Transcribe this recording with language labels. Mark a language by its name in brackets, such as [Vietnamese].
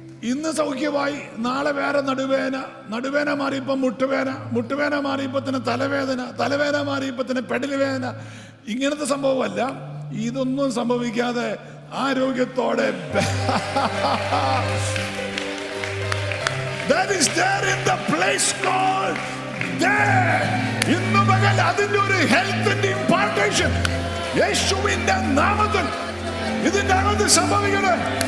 [Malayalam] ഇന്ന് സൗഖ്യമായി, നാളെ വേറെ നടുവേദന, നടുവേദന മാറിയപ്പോൾ മുട്ടുവേദന, മുട്ടുവേദന മാറിയപ്പോൾ തന്നെ തലവേദന, തലവേദന മാറിയപ്പോൾ തന്നെ പെടലി വേദന. ഇങ്ങനത്തെ സംഭവമല്ല, ഇതൊന്നും സംഭവിക്കാതെ ആരോഗ്യത്തോടെ. [English] That is there in the place called there. [Malayalam] ഇന്ന് മുതൽ അതിൻ്റെ ഒരു ഹെൽത്തിൻ്റെ ഇമ്പാർട്ടേഷൻ യേശുവിൻ്റെ നാമത്തിൽ ഇതിൻ്റെ അകത്ത് സംഭവിക്കണം.